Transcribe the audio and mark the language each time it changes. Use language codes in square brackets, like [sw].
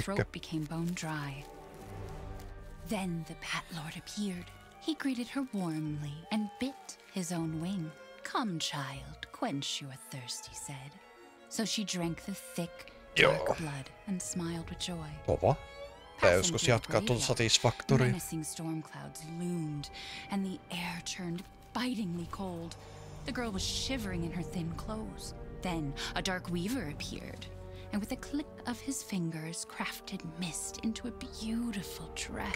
[en] throat became bone dry. Then the Bat Lord appeared. He greeted her warmly and bit his own wing. Come, child, quench your thirst, he said. So she drank the thick, dark blood and smiled with joy. Ova? [fi] Tää joskus jatkaa tuota Satisfactoria. [en] Menacing storm clouds loomed, and the air turned bitingly cold. The girl was shivering in her thin clothes. Then a dark weaver appeared, and with a click of his fingers crafted mist into a beautiful dress.